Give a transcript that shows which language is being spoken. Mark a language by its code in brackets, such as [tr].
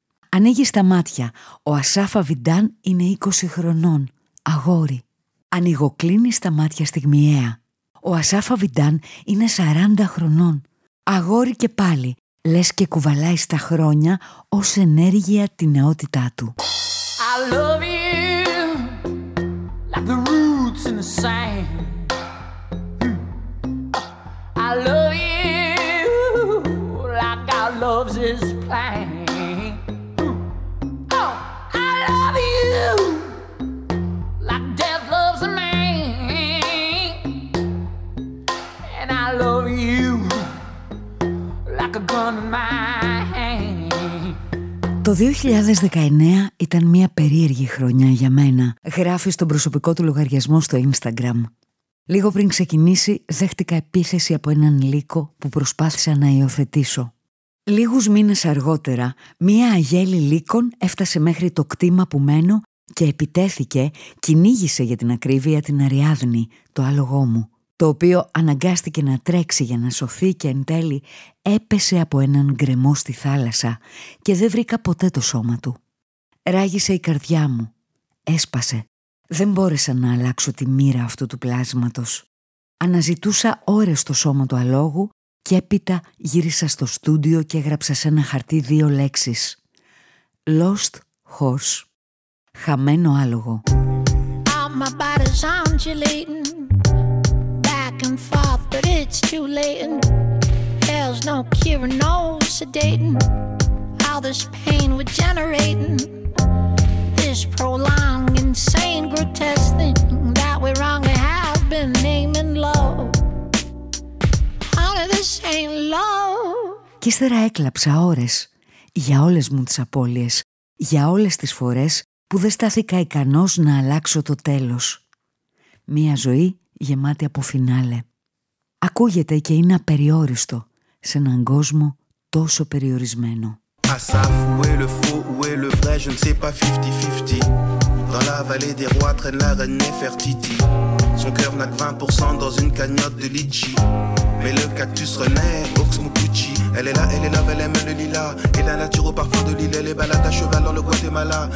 [el] Ανοίγεις τα μάτια. Ο Ασάφα Βιντάν είναι 20 χρονών. Αγόρι. Ανοιγοκλίνεις τα μάτια στιγμιαία. Ο Ασάφα Βιντάν είναι 40 χρονών. Αγόρι και πάλι. Λες και κουβαλάει στα χρόνια ως ενέργεια την νεότητά του. [en] I love you like the roots in the sand. I love you like our love's is plain. Oh, I love you like death loves a man. And I love you like a gun in my hand. [el] Το 2019 ήταν μια περίεργη χρονιά για μένα, γράφει στον προσωπικό του λογαριασμό στο Instagram. Λίγο πριν ξεκινήσει, δέχτηκα επίθεση από έναν λύκο που προσπάθησα να υιοθετήσω. Λίγους μήνες αργότερα, μία αγέλη λύκων έφτασε μέχρι το κτήμα που μένω και επιτέθηκε, κυνήγησε για την ακρίβεια την Αριάδνη, το άλογό μου, το οποίο αναγκάστηκε να τρέξει για να σωθεί και εν τέλει έπεσε από έναν γκρεμό στη θάλασσα και δεν βρήκα ποτέ το σώμα του. Ράγισε η καρδιά μου. Έσπασε. Δεν μπόρεσα να αλλάξω τη μοίρα αυτού του πλάσματος. Αναζητούσα ώρες το σώμα του αλόγου και έπειτα γύρισα στο στούντιο και έγραψα σε ένα χαρτί δύο λέξεις. [en] Lost horse. [el] Χαμένο άλογο. [en] All my body's undulating, back and forth, but it's too late. There's no cure, no sedating. All this pain we're generating. Prolonged, insane, grotesque thing that we wrongly have been naming love. Honey, this ain't love. [el] Κι ύστερα έκλαψα ώρες για όλες μου τις απώλειες, για όλες τις φορές που δεν στάθηκα ικανός να αλλάξω το τέλος. Μία ζωή γεμάτη από φινάλε. Ακούγεται και είναι απεριόριστο σε έναν κόσμο τόσο περιορισμένο. [fr] Asaf, où est le faux, où est le vrai, je ne sais pas, 50-50. Dans la vallée des rois traîne la reine Nefertiti. Son cœur n'a que 20% dans une cagnotte de litchi. Mais le cactus renaît, Oxmo Gucci. Elle est là, elle aime le lila. Et la nature au parfum de l'île, elle est balade à cheval dans le Guatemala.